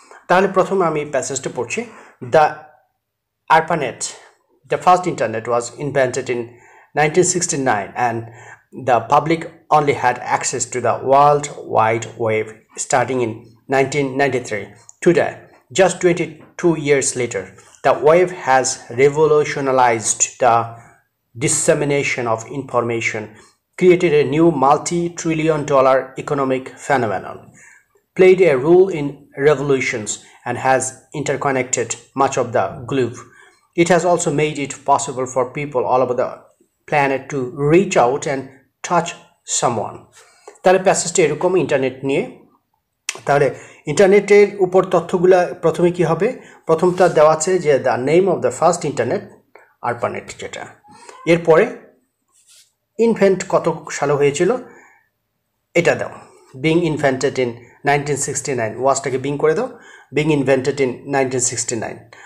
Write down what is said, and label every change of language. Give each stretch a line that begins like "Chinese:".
Bangla: তাহলে প্রথমে আমি প্যাসেজটা পড়ছি।
English: The ARPANET, the first internet was invented in 1969 and the public only had access to the world wide web starting in 1993, today just 22 years later the web has revolutionised the dissemination of information, created a new multi trillion dollar economic phenomenon, played a role in revolutions and has interconnected much of the globe. It has also made it possible for people all over the planet to reach out and touch someone.
Bangla: তাহলে প্যাসেজটা এরকম internet নিয়ে। তাহলে ইন্টারনেটের উপর তথ্যগুলো প্রথমে কী হবে, প্রথমটা দেওয়া আছে যে
English: the name of the first internet ARPANET
Bangla: যেটা, এরপরে ইনভেন্ট কত সালে হয়েছিল এটা দাও,
English: being invented in 1969,
Bangla: ওয়াসটাকে বিং করে দাও, বিং ইনভেন্টেড ইন 1969।